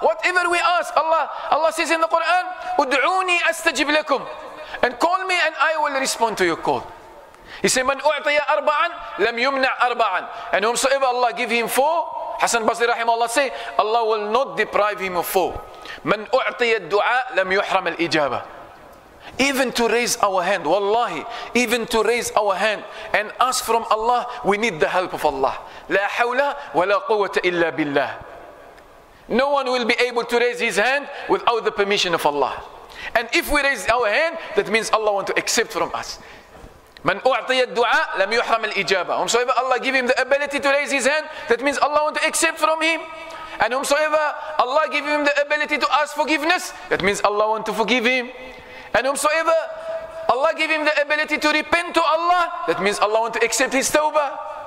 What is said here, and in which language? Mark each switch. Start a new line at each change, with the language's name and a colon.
English: Whatever we ask, Allah says in the Quran,
Arabic: ud'uni astajib lakum.
English: And call me and I will respond to your call. He said,
Arabic: man u'tiya arba'an, lam yumna' arba'an.
English: And whomsoever Allah give him four, Hasan Basri rahimahullah say, Allah will not deprive him of four.
Arabic: من أعطي الدعاء لم يحرم الإجابة.
English: Even to raise our hand, wallahi, even to raise our hand and ask from Allah, we need the help of Allah.
Arabic: لا حول ولا قوة إلا بالله.
English: No one will be able to raise his hand without the permission of Allah. And if we raise our hand, that means Allah want to accept from us.
Arabic: من أعطي الدعاء لم يحرم الإجابة.
English: Whomsoever Allah give him the ability to raise his hand, that means Allah want to accept from him. And whomsoever Allah give him the ability to ask forgiveness, that means Allah want to forgive him. And whomsoever Allah give him the ability to repent to Allah, that means Allah want to accept his tawbah.